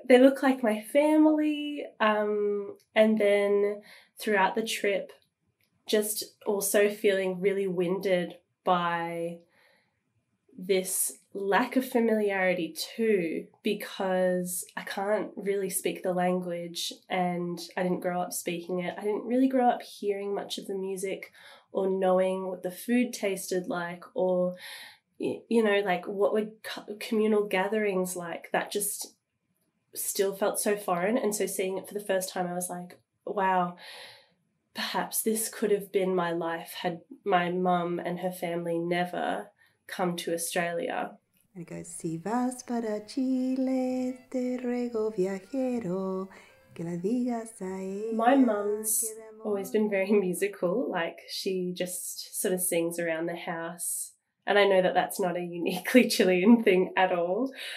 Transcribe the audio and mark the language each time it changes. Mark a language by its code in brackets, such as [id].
[en] They look like my family. And then throughout the trip, just also feeling really winded by this lack of familiarity too, because I can't really speak the language, and I didn't grow up speaking it. I didn't really grow up hearing much of the music or knowing what the food tasted like, or, you know, like what were communal gatherings like. That just still felt so foreign. And so seeing it for the first time, I was like, wow, perhaps this could have been my life had my mum and her family never come to Australia. And it goes, [es] si vas para Chile, te ruego viajero, que la digas a ella. [en] My mum's always been very musical. Like, she just sort of sings around the house. And I know that that's not a uniquely Chilean thing at all.